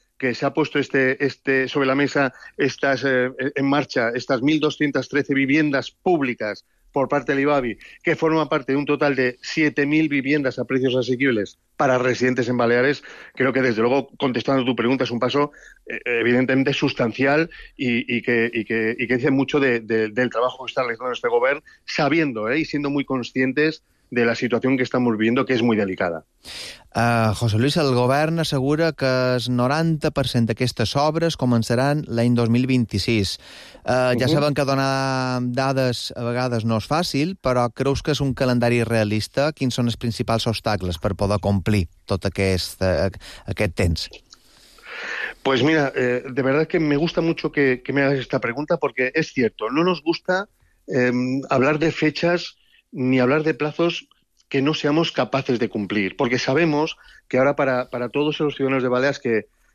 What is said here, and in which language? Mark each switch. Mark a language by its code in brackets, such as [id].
[es] que se ha puesto este sobre la mesa estas 1.213 viviendas públicas por parte del IBABI, que forma parte de un total de 7.000 viviendas a precios asequibles para residentes en Baleares, creo que, desde luego, contestando tu pregunta, es un paso evidentemente sustancial y que dice mucho del trabajo que está realizando este gobierno, sabiendo y siendo muy conscientes de la situación que estamos viviendo, que es muy delicada. [ca] José Luis, el govern assegura que el 90% d'aquestes obres començaran l'any 2026. Ja saben que donar dades a vegades no és fàcil, però creus que és un calendari realista? Quins són els principals obstacles per poder complir tot aquest temps? [es] Pues mira, de verdad que me gusta mucho que me hagas esta pregunta, porque es cierto, no nos gusta hablar de fechas ni hablar de plazos que no seamos capaces de cumplir, porque sabemos que ahora para todos los ciudadanos de Baleares que